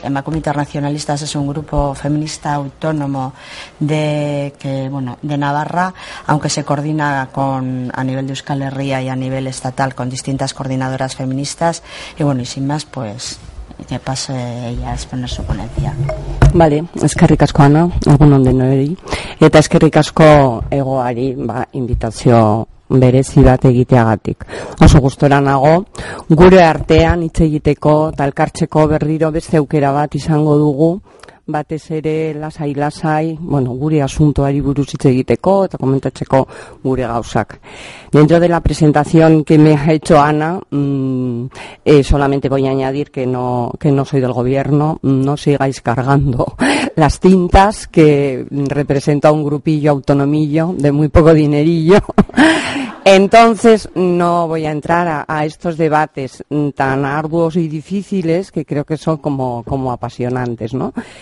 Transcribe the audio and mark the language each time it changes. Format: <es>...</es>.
<es>Emakume Internacionalistas es un grupo feminista autónomo de que bueno, de Navarra, aunque se coordina con a nivel de Euskal Herria y a nivel estatal con distintas coordinadoras feministas. Y bueno, y sin más, pues que pase ella a exponer su ponencia.</es> <eu>Vale, eskerrik asko Ana, egunon denoi, eta eskerrik asko egoari, ba, invitazio berezi bat egiteagatik. Oso gustora nago, gure artean hitz egiteko, talkartzeko berriro beste aukera bat izango dugu, batez ere lasai-lasai, bueno, gure asuntoari buruz hitz egiteko eta komentatzeko gure gauzak.</eu> <es>Dentro de la presentación que me ha hecho Ana, solamente voy a añadir que no soy del gobierno, no sigáis cargando las tintas, que representa un grupillo autonomillo de muy poco dinerillo. Entonces, no voy a entrar a estos debates tan arduos y difíciles, que creo que son como apasionantes, ¿no?</es>